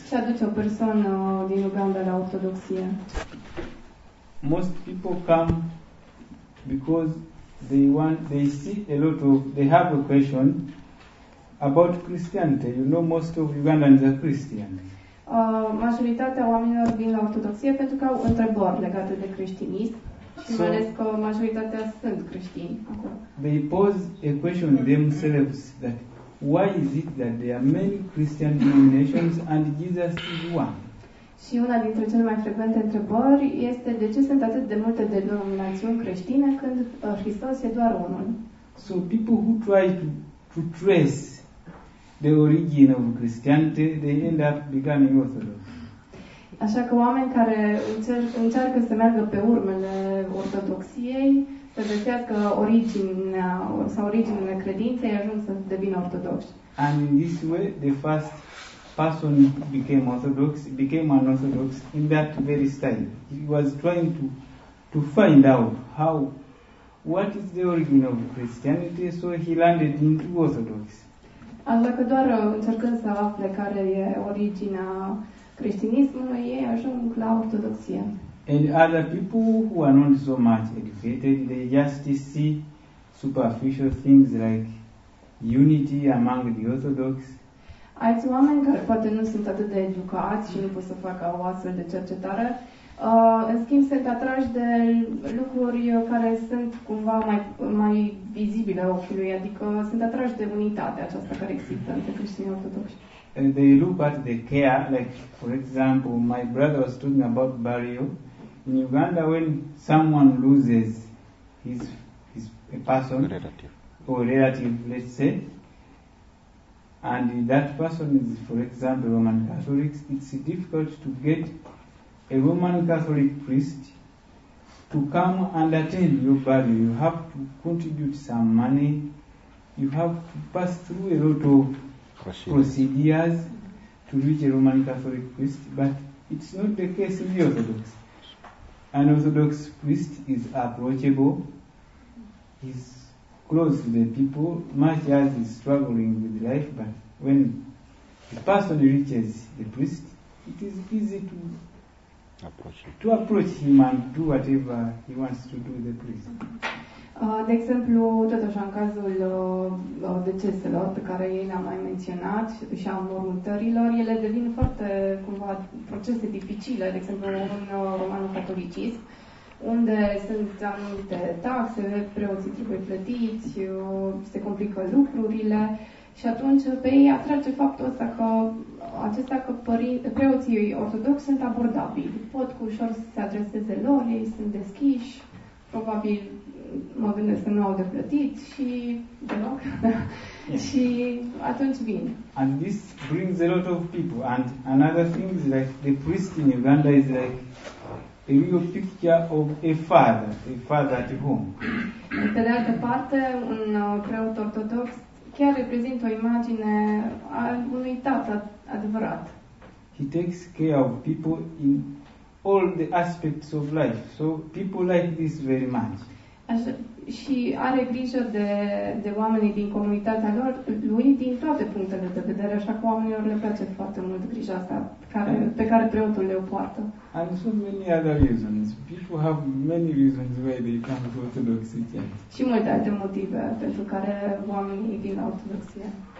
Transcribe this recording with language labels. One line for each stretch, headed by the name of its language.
Romanian: Ce aduce o persoană din Uganda la Ortodoxie?
English: Most people come because they have a question about Christianity. You know, most of Ugandans are Christian.
Romanian: Majoritatea oamenilor vin la Ortodoxie pentru că au întrebări legate de creștinism. Și mai ales că majoritatea sunt creștini acolo.
English: They pose a question themselves that why is it that there are many Christian denominations and Jesus is one?
Romanian: Și una dintre cele mai frecvente întrebări este de ce sunt atât de multe denominațiuni creștine când Hristos e doar unul.
English: So people who try to trace the origin of Christianity, they end up becoming Orthodox.
Romanian: Așa că oameni care încearcă să meargă pe urmele ortodoxiei, să găsească originea sau originele credinței, ajung să devină ortodoxi.
English: And in this way, the first person became an orthodox in that very style. He was trying to find out what is the origin of Christianity, so he landed into Orthodoxy.
Romanian: Așa că doar încercând să afle care e originea creștinismului, ei ajung la ortodoxie.
English: And other people who are not so much educated, they just see superficial things like unity among the Orthodox.
Romanian: Alți oameni care poate nu sunt atât de educați și nu pot să facă o astfel de cercetare, în schimb sunt atrași de lucruri care sunt cumva mai vizibile ochiului, adică sunt atrași de unitatea aceasta care există între creștinii ortodoxi.
English: And they look at the care, like, for example, my brother was talking about burial. In Uganda, when someone loses his a person, relative, let's say, and that person is, for example, Roman Catholics, it's difficult to get a Roman Catholic priest to come and attend your burial. You have to contribute some money. You have to pass through a lot of procedures to reach a Roman Catholic priest, but it's not the case in the Orthodox. An Orthodox priest is approachable, he's close to the people, much as he's struggling with life, but when the person reaches the priest, it is easy to approach him and do whatever he wants to do with the priest.
Romanian: De exemplu, tot așa în cazul deceselor pe care ei le-am mai menționat și a mormântărilor, ele devin foarte, cumva, procese dificile, de exemplu, în romanul catolicism, unde sunt anumite taxe, preoții trebuie plătiți, se complică lucrurile și atunci pe ei atrage faptul ăsta că preoții ortodoxi sunt abordabili, pot cu ușor să se adreseze lor, ei sunt deschiși, probabil mă gândesc că nu au de plătit și deloc.
English: Yes.
Romanian: Și atunci vin.
English: And this brings a lot of people. And another thing is like the priest in Uganda is like a real picture of a father at home.
Romanian: Pe de altă parte, un preot ortodox chiar reprezintă o imagine a unui tată adevărat.
English: He takes care of people in all the aspects of life. So people like this very much.
Romanian: Așa, și are grijă de oamenii din comunitatea lor, lui, din toate punctele de vedere, așa că oamenilor le place foarte mult grija asta pe care preotul le-o poartă.
English: And so many other reasons. People have many reasons why they come to Orthodoxy.
Romanian: Și multe alte motive pentru care oamenii vin la Ortodoxie.